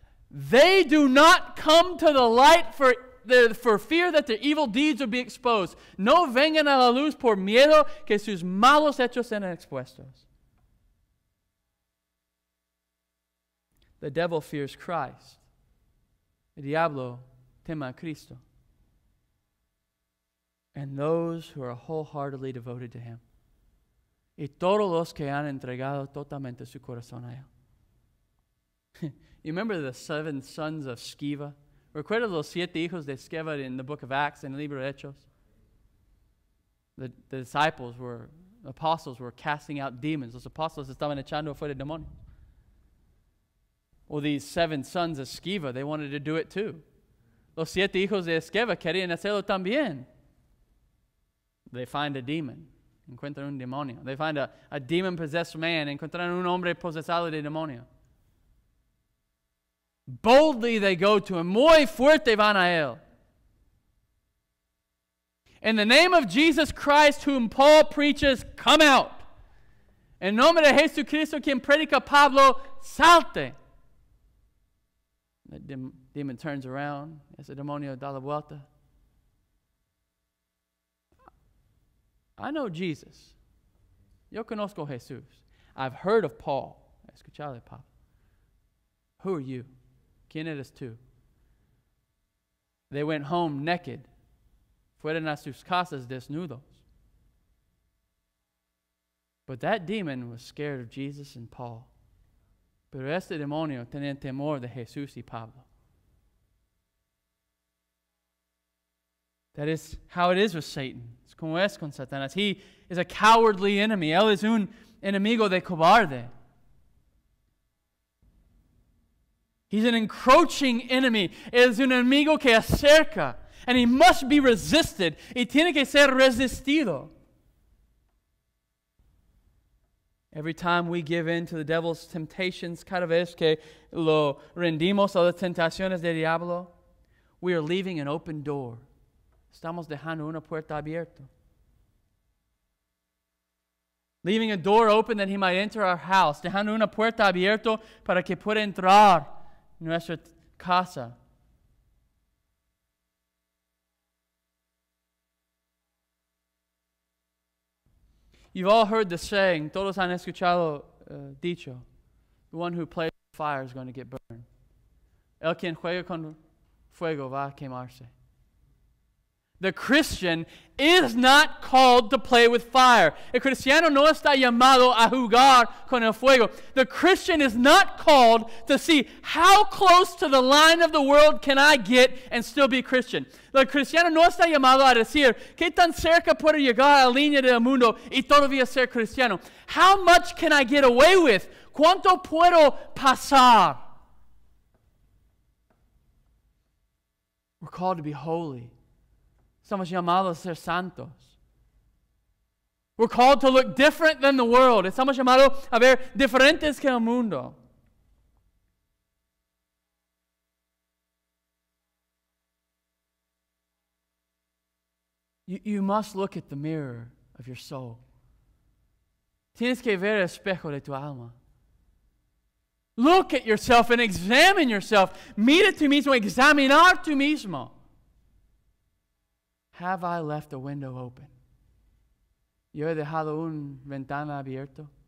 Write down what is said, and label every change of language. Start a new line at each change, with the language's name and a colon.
English: They do not come to the light for fear that their evil deeds will be exposed.
Spanish: No vengan a la luz por miedo que sus malos hechos sean expuestos.
English: The devil fears Christ.
Spanish: El diablo teme a Cristo.
English: And those who are wholeheartedly devoted to him.
Spanish: Y todos los que han entregado totalmente su corazón a él.
English: You remember the seven sons of Sceva?
Spanish: Recuerda los siete hijos de Sceva
English: in the book of Acts and the
Spanish: libro de Hechos?
English: The disciples were, apostles were casting out demons.
Spanish: Los apóstoles estaban echando fuera demonios.
English: Well, these seven sons of Sceva, they wanted to do it too.
Spanish: Los siete hijos de Sceva querían hacerlo también.
English: They find a demon.
Spanish: Encuentran un demonio.
English: They find a demon-possessed man.
Spanish: Encuentran un hombre posesado de demonio.
English: Boldly they go to him.
Spanish: Muy fuerte van a él.
English: In the name of Jesus Christ, whom Paul preaches, come out.
Spanish: En nombre de Jesucristo, quien predica Pablo, salte.
English: The demon turns around.
Spanish: Es el demonio da la vuelta.
English: I know Jesus.
Spanish: Yo conozco Jesús.
English: I've heard of Paul.
Spanish: Escuchale, Pablo.
English: Who are you?
Spanish: ¿Quién eres tú?
English: They went home naked.
Spanish: Fueron a sus casas desnudos.
English: But that demon was scared of Jesus and Paul.
Spanish: Pero este demonio tenía temor de Jesús y Pablo.
English: That is how it is with Satan.
Spanish: Es como es con Satanás.
English: He is a cowardly enemy.
Spanish: Él es un enemigo de cobarde.
English: He's an encroaching enemy.
Spanish: Es un enemigo que acerca.
English: And he must be resisted.
Spanish: Y tiene que ser resistido.
English: Every time we give in to the devil's temptations,
Spanish: cada vez que lo rendimos a las tentaciones del diablo,
English: we are leaving an open door.
Spanish: Estamos dejando una puerta abierta.
English: Leaving a door open that he might enter our house.
Spanish: Dejando una puerta abierta para que pueda entrar nuestra casa.
English: You've all heard the saying,
Spanish: todos han escuchado dicho,
English: the one who plays with fire is going to get burned.
Spanish: El quien juega con fuego va a quemarse.
English: The Christian is not called to play with fire.
Spanish: El cristiano no está llamado a jugar con el fuego.
English: The Christian is not called to see how close to the line of the world can I get and still be Christian.
Spanish: El cristiano no está llamado a decir, ¿qué tan cerca puedo llegar a la línea del mundo y todavía ser cristiano?
English: How much can I get away with?
Spanish: ¿Cuánto puedo pasar?
English: We're called to be holy.
Spanish: Estamos llamados a ser santos.
English: We're called to look different than the world.
Spanish: Estamos llamados a ver diferentes que el mundo.
English: You must look at the mirror of your soul.
Spanish: Tienes que ver el espejo de tu alma.
English: Look at yourself and examine yourself.
Spanish: Mira tú mismo, examinar tú mismo.
English: Have I left a window open?
Spanish: Yo he dejado un ventana abierto.